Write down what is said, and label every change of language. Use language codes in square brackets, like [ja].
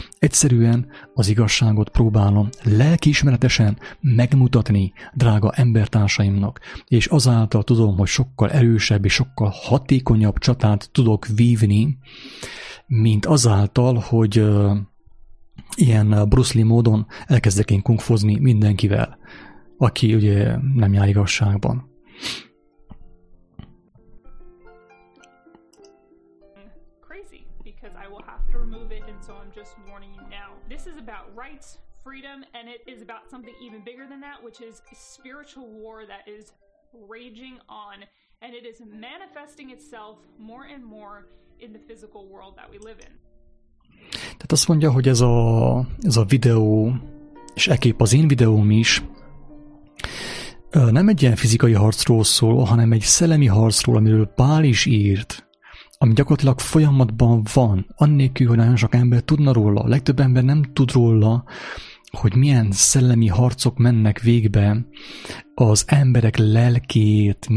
[hu] Egyszerűen az igazságot próbálom lelkiismeretesen megmutatni drága embertársaimnak, és azáltal tudom, hogy sokkal erősebb és sokkal hatékonyabb csatát tudok vívni, mint azáltal, hogy ilyen Bruce Lee módon elkezdek én kungfozni mindenkivel, aki ugye nem jár igazságban. [en] Crazy, because I will have to remove it, and so I'm just warning you now. This is about rights, freedom, and it is about something even bigger than that, which is spiritual war that is raging on, and it is manifesting itself more and more in the physical world that we live in. [hu] Tehát azt mondja, hogy ez a videó, és ekképp az én videóm is, nem egy ilyen fizikai harcról szól, hanem egy szellemi harcról, amiről Pál is írt, ami gyakorlatilag folyamatban van, annélkül, hogy nagyon sok ember tudna róla. A legtöbb ember nem tud róla, hogy milyen szellemi harcok mennek végbe az emberek lelkét.